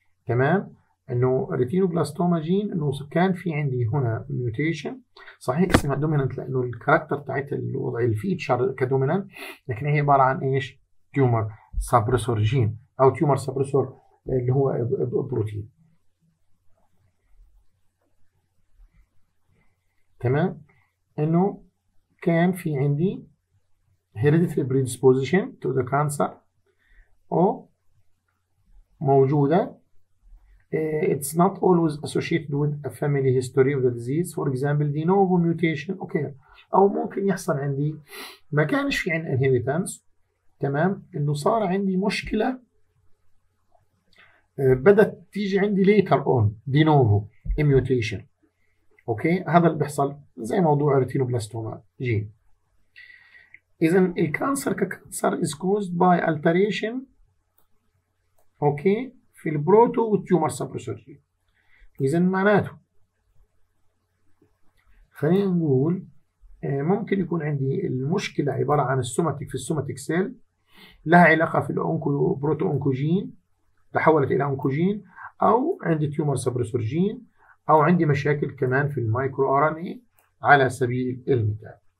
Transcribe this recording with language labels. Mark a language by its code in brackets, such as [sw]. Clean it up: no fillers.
[ar] تمام؟ انه ريتينوبلاستوما جين انه كان في عندي هنا ميوتيشن، صحيح اسمها دوميننت لانه الكاركتر بتاعت الوضع الفيتشر كدوميننت، لكن هي عباره عن ايش؟ تيومر سابريسور جين او تيومر سابريسور اللي هو بروتين، تمام؟ انه كان في عندي [en] hereditary predisposition to the cancer [ar] او موجوده. [en] It's not always associated with a family history of the disease. For example, de novo mutation. Okay. [ar] أو ممكن يحصل عندي ما كانش في عندي inheritance. تمام. إنه صار عندي مشكلة بدأت تيجي عندي [en] later on. De novo mutation. Okay. [ar] هذا اللي بيحصل زي موضوع retinoblastoma gene. [en] إذن the cancer cancer is caused by alteration. Okay. [ar] في البروتو والتيومر سبريسور جين. اذا معناته خلينا نقول ممكن يكون عندي المشكله عباره عن السوماتيك، في السوماتيك سيل لها علاقه في الاونكو بروتو اونكوجين تحولت الى اونكوجين، او عندي تيومر سبريسور جين، او عندي مشاكل كمان في المايكرو ار ان اي على سبيل المثال.